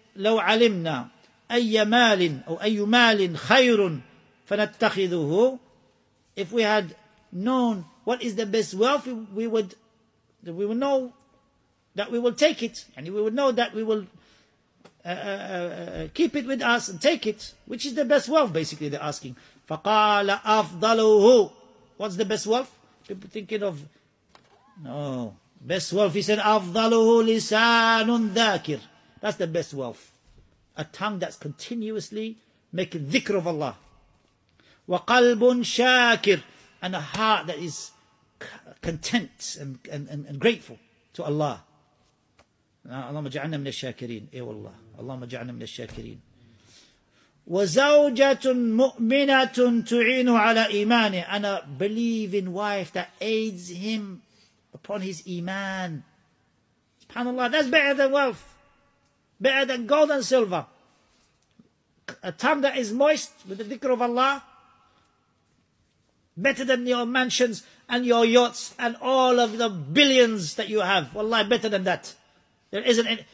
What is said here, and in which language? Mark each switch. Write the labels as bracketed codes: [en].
[ar] لو علمنا أي مال أو أي مال خير فنتخذه. [en] If we had known what is the best wealth, we would know that we will take it, and we would know that we will keep it with us and take it. Which is the best wealth? Basically, they're asking. [ar] فَقَالَ أَفْضَلُهُ. [en] What's the best wealth? People thinking of, no, best wealth. He said, [ar] أَفْضَلُهُ لِسَانٌ ذَاكِرٌ. [en] That's the best wealth. A tongue that's continuously making dhikr of Allah. [ar] وَقَلْبٌ شَاكِرٌ. [en] And a heart that is content and grateful to Allah. [ar] اللهم اجعلنا من الشاكرين. اي والله اللهم اجعلنا من الشاكرين. وزوجه مؤمنه تعين على ايمانه. [en] And a believing wife that aids him upon his iman. Subhanallah, that's better than wealth, better than gold and silver. A tongue that is moist with the dhikr of Allah, better than your mansions and your yachts and all of the billions that you have. Wallahi, better than that. There isn't any.